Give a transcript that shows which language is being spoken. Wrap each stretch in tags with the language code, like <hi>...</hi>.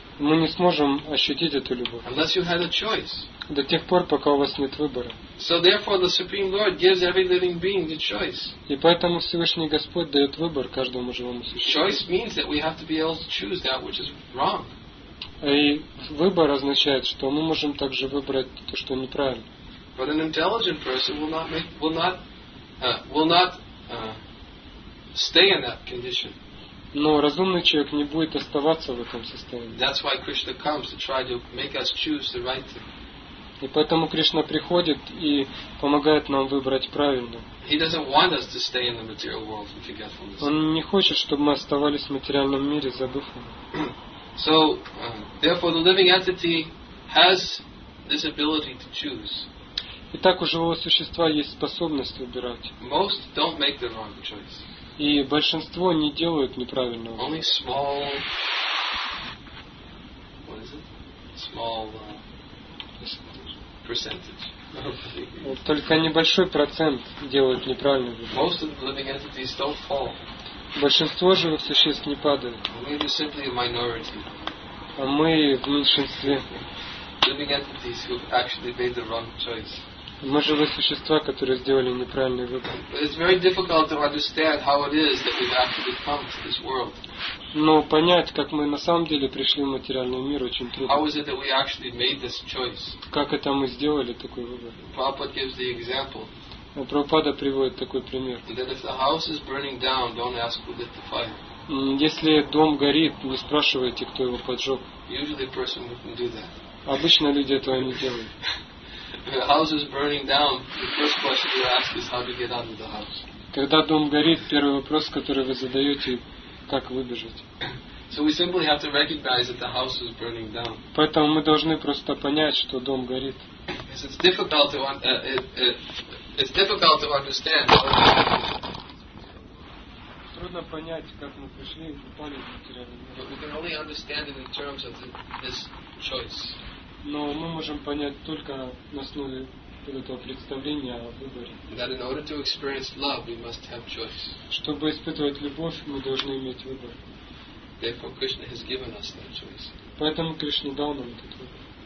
<ru>Мы не сможем ощутить эту любовь.</ru> <en>Unless you had a choice.</en> <ru>До тех пор, пока у вас нет выбора.</ru> <en>So therefore, the Supreme Lord gives every living being the choice.</en> <ru>И поэтому Всевышний Господь дает выбор каждому живому существу.</ru> <en>Choice means that we have to be able to choose that which is wrong.</en> <ru>И выбор означает, что мы можем также выбрать то, что неправильно.</ru> <en>But an intelligent person will not stay in that condition.</en> <ru>Но разумный человек не будет оставаться в этом состоянии.</ru> <en>That's why Krishna comes to try to make us choose the right thing.</en> <ru>И поэтому Кришна приходит и помогает нам выбрать правильно.</ru> <en>He doesn't want us to stay in the material world in forgetfulness.</en> <ru>Он не хочет, чтобы мы оставались в материальном мире, забыв его.</ru> <en>So, therefore, the living entity has this ability to choose.</en> <ru>Итак, у живого существа есть способность выбирать.</ru> <en>Most don't make the wrong choice.</en> <ru>И большинство не делают неправильного.</ru> <en>Only small. What is it? Small percentage.</en> <ru>Только небольшой процент делают неправильный выбор.</ru> <en>Most of the living entities don't fall.</en> <ru>Большинство живых существ не падают.</ru> <en>We are simply a minority.</en> <ru>А мы в меньшинстве.</ru> <en>Living entities who actually made the wrong choice.</en> <ru>Мы живые существа, которые сделали неправильный выбор.</ru> <en>It's very difficult to understand how it is that we've actually come to this world.</en> <ru>Но понять, как мы на самом деле пришли в материальный мир, очень трудно.</ru> <en>How is it that we actually made this choice?</en> <ru>Как это мы сделали такой выбор?</ru> <en>Prabhupada gives the example.</en> <ru>Прабхупада приводит такой пример.</ru> <en>That if the house is burning down, don't ask who lit the fire.</en> <ru>Если дом горит, не спрашивайте, кто его поджег.</ru> <en>Usually a person wouldn't do that.</en> <ru>Обычно люди этого не делают.</ru> <en>If the house is burning down, the first question you ask is how to get out of the house.</en> <ru>Когда дом горит, первый вопрос, который вы задаете, как выбежать?</ru> <en>So we simply have to recognize that the house is burning down.</en> <ru>Поэтому мы должны просто понять, что дом горит.</ru> <en>It's difficult to understand.</en> <ru>Трудно понять, как мы пришли и попали в материальный мир.</ru> <en>But we can only understand it in terms of this choice.</en> <ru>Но мы можем понять только на основе этого представления о выборе.</ru> <en>That in order to experience love, we must have choice.</en> <ru>Чтобы испытывать любовь, мы должны иметь выбор.</ru> <en>Therefore, Krishna has given us that choice.</en> <ru>Поэтому Кришна дал нам этот выбор.</ru>